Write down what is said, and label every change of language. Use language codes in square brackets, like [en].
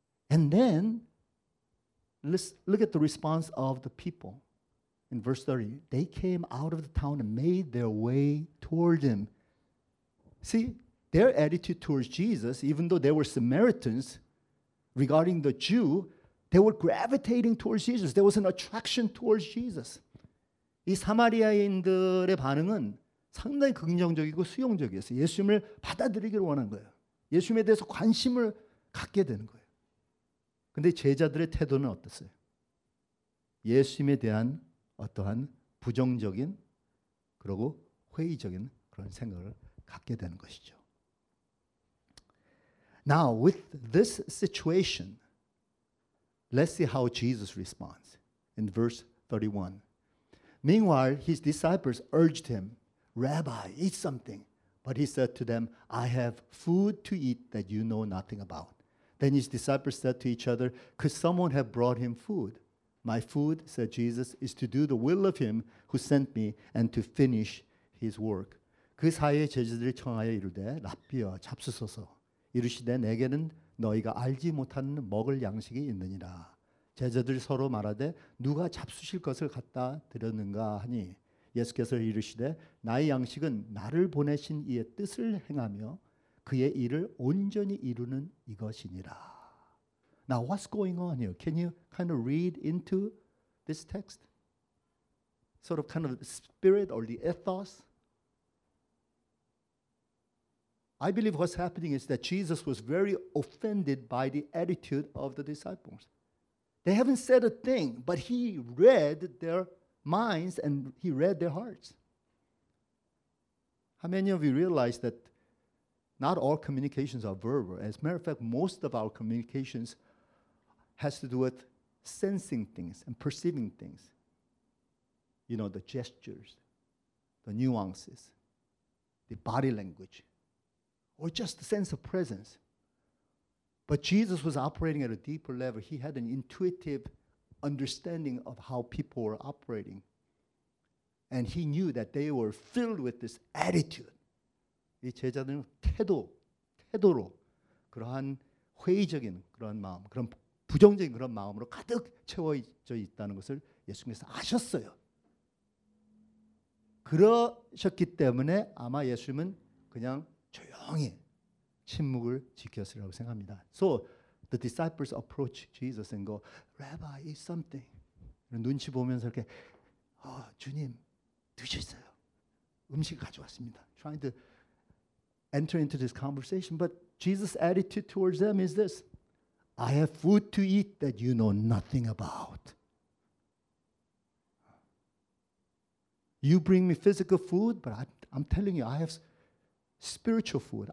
[en] And then, look at the response of the people. In verse 30, they came out of the town and made their way toward him. See, their attitude towards Jesus, even though they were Samaritans, regarding the Jew, they were gravitating towards Jesus. There was an attraction towards Jesus. [ko] 이 사마리아인들의 반응은 상당히 긍정적이고 수용적이었어요. 예수님을 받아들이기를 원한 거예요. 예수님에 대해서 관심을 갖게 되는 거예요. 근데 제자들의 태도는 어땠어요? 예수님에 대한 어떠한 부정적인 그리고 회의적인 그런 생각을 갖게 되는 것이죠. [en] Now, with this situation, let's see how Jesus responds in verse 31. Meanwhile, his disciples urged him, Rabbi, eat something. But he said to them, I have food to eat that you know nothing about. Then his disciples said to each other, could someone have brought him food? My food, said Jesus, is to do the will of him who sent me and to finish his work. [ko] 그 사이에 제자들이 청하여 이르되, 랍비여, 잡수소서. 이르시되 내게는 너희가 알지 못하는 먹을 양식이 있느니라. 제자들 서로 말하되 누가 잡수실 것을 갖다 드렸는가 하니 예수께서 이르시되 나의 양식은 나를 보내신 이의 뜻을 행하며 그의 일을 온전히 이루는 이것이니라. [en] Now what's going on here? Can you kind of read into this text? Sort of kind of the spirit or the ethos? I believe what's happening is that Jesus was very offended by the attitude of the disciples. They haven't said a thing, but he read their minds and he read their hearts. How many of you realize that not all communications are verbal? As a matter of fact, most of our communications has to do with sensing things and perceiving things. You know, the gestures, the nuances, the body language, or just the sense of presence. But Jesus was operating at a deeper level. He had an intuitive understanding of how people were operating. And he knew that they were filled with this attitude. [ko] 이 제자들은 태도로 그러한 회의적인 그러한 마음, 그런 부정적인 그런 마음으로 가득 채워져 있다는 것을 예수님께서 아셨어요. 그러셨기 때문에 아마 예수님은 그냥 조용히 침묵을 지켰으라고 생각합니다. [en] So the disciples approach Jesus and go, Rabbi, eat something. [ko] 눈치 보면서 이렇게, 주님, 드셨어요. 음식 가져왔습니다. [en] Trying to enter into this conversation. But Jesus' attitude towards them is this, I have food to eat that you know nothing about. You bring me physical food, but I'm telling you, I have spiritual food.